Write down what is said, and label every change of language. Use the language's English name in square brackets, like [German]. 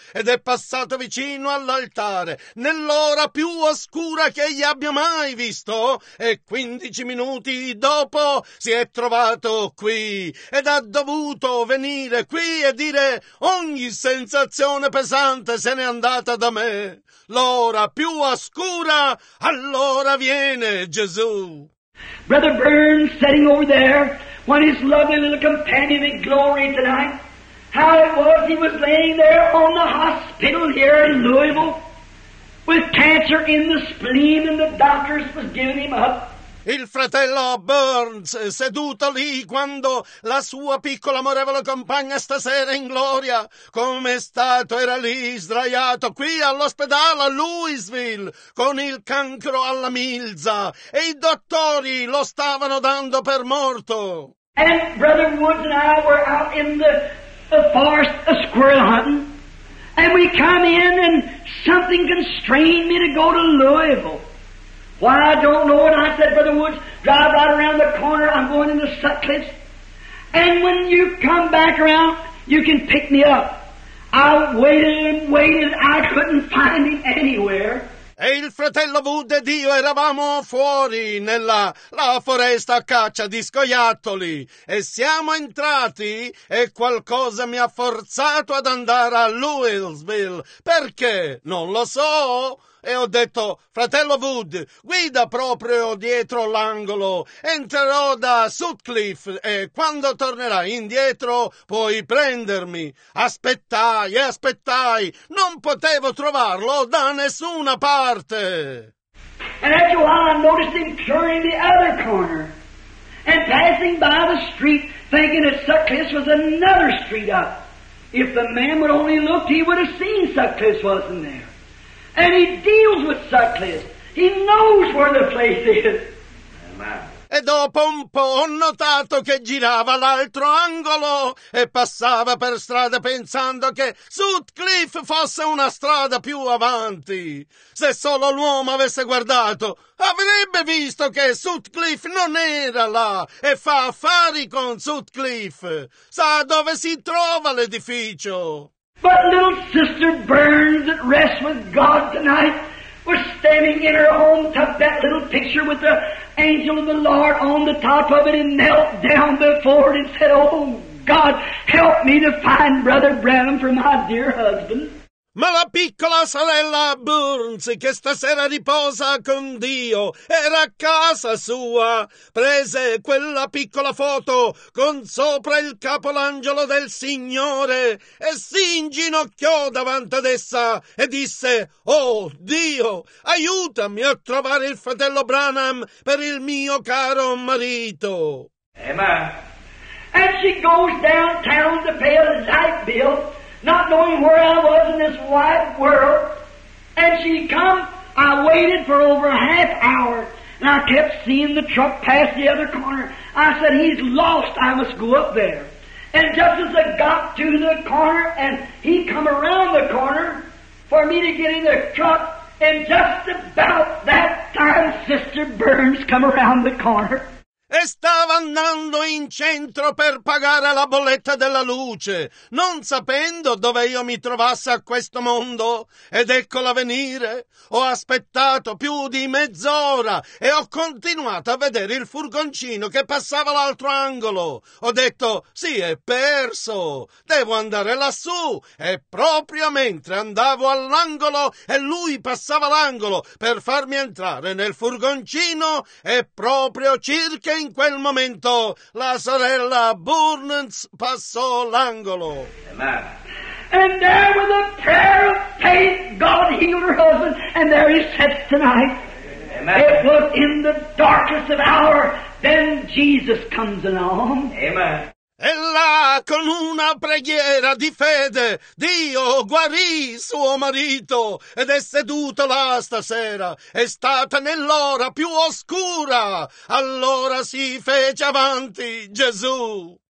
[Italian] ed è passato vicino all'altare nell'ora più oscura che egli abbia mai visto e 15 minuti dopo si è trovato qui ed ha dovuto venire qui e dire ogni sensazione pesante se n'è andata da me. L'ora più oscura, allora viene Gesù. [English] Brother Burns sitting over there when his lovely little companion in glory tonight, how it was he was laying there on the hospital here in Louisville with cancer in the spleen and the doctors was giving him up. [Italian] Il fratello Burns, seduto lì quando la sua piccola amorevole compagna stasera in gloria, come è stato, era lì sdraiato qui all'ospedale a Louisville con il cancro alla milza e i dottori lo stavano dando per morto. [English] And Brother Woods and I were out in the forest a squirrel hunting and we come in and something constrained me to go to Louisville. Why, I don't know. And I said, Brother Woods, drive right around the corner. I'm going into Sutcliffe's. And when you come back around, you can pick me up. I waited and waited. I couldn't find him anywhere. [Italian] E il fratello Wood ed io eravamo fuori nella la foresta a caccia di scoiattoli e siamo entrati e qualcosa mi ha forzato ad andare a Louisville. Perché? Non lo so. E ho detto, fratello Wood, guida proprio dietro l'angolo, entrerò da Sutcliffe e quando tornerai indietro puoi prendermi. Aspettai e aspettai, non potevo trovarlo da nessuna parte. [English] And after a while I noticed him turning the other corner and passing by the street thinking that Sutcliffe was another street up. If the man would only looked, he would have seen Sutcliffe wasn't there. And he deals with Sutcliffe. He knows where the place is. [Italian] E dopo un po' ho notato che girava l'altro angolo e passava per strada pensando che Sutcliffe fosse una strada più avanti. Se solo l'uomo avesse guardato, avrebbe visto che Sutcliffe non era là e fa affari con Sutcliffe. Sa dove si trova l'edificio. [English] But little sister Burns at rest with God tonight was standing in her own tub, that little picture with the angel of the Lord on the top of it and knelt down before it and said, oh God, help me to find Brother Branham for my dear husband. [Italian] Ma la piccola sorella Burns, che stasera riposa con Dio, era a casa sua, prese quella piccola foto con sopra il capo l'angelo del Signore e si inginocchiò davanti ad essa e disse, oh Dio, aiutami a trovare il fratello Branham per il mio caro marito. [English] Amen. And she goes downtown to pay a light bill, not knowing where I was in this wide world. And she come, I waited for over a half hour, and I kept seeing the truck pass the other corner. I said, he's lost, I must go up there. And just as I got to the corner, and he come around the corner for me to get in the truck, And just about that time, Sister Burns come around the corner. [Italian] E stava andando in centro per pagare la bolletta della luce, non sapendo dove io mi trovassi a questo mondo. Ed eccola venire. Ho aspettato più di mezz'ora e ho continuato a vedere il furgoncino che passava l'altro angolo. Ho detto, sì, è perso. Devo andare lassù. E proprio mentre andavo all'angolo e lui passava l'angolo per farmi entrare nel furgoncino, è proprio circa in quel momento la sorella Burns passò l'angolo. [English] And there with a prayer of faith, God healed her husband, and there he sits tonight. Amen. It was in the darkest of hour, then Jesus comes along. Amen. [Italian] E là, con una preghiera di fede, Dio guarì suo marito ed è seduto là stasera. È stata nell'ora più oscura. Allora si fece avanti Gesù.